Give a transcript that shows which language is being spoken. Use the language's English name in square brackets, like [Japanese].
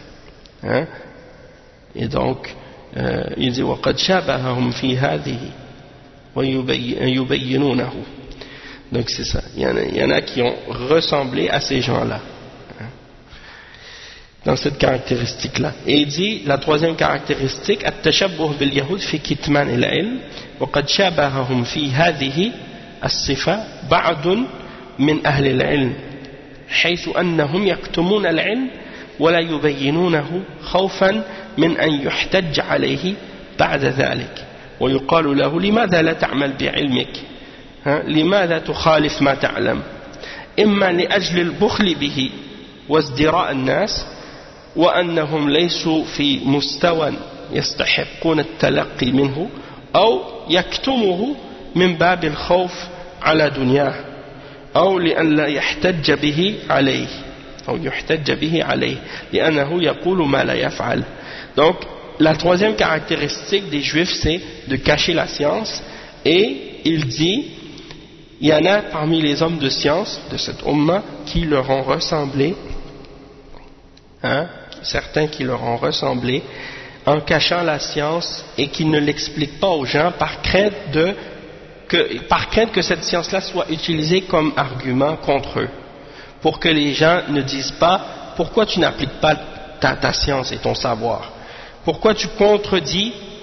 [French] » Et donc, il dit « [Arabic] وَقَدْ شَابَهَهُمْ فِي هَذِهِ وَيُبَيِّنُونَهُ [French] » Donc c'est ça. Il y en a qui ont ressemblé à ces gens-là, dans cette caractéristique-là. Et il dit, la troisième caractéristique, [Arabic] « التشبه باليهود في كتمان العلم وقد شابههم في هذه الصفة بعض من أهل العلم حيث أنهم يكتمون العلم ولا يبينونه خوفا من أن يحتج عليه بعد ذلك ويقال له لماذا لا تعمل بعلمك؟ لماذا تخالف ما تعلم؟ إما لأجل البخل به وازدراء الناس وأنهم ليسوا في مستوى يستحقون التلقي منه أو يكتمه من باب الخوف على دنياه أو لأن لا يحتج به عليه أو يحتج به عليه لأنه يقول ما لا يفعل. [French] Donc la troisième caractéristique des juifs c'est de cacher la science, et il dit il y en a parmi les hommes de science de cette umma qui leur ont ressemblé, certains qui leur ont ressemblé en cachant la science et qui ne l'expliquent pas aux gens par crainte que cette science-là soit utilisée comme argument contre eux, pour que les gens ne disent pas pourquoi tu n'appliques pas ta science et ton savoir, pourquoi tu contredis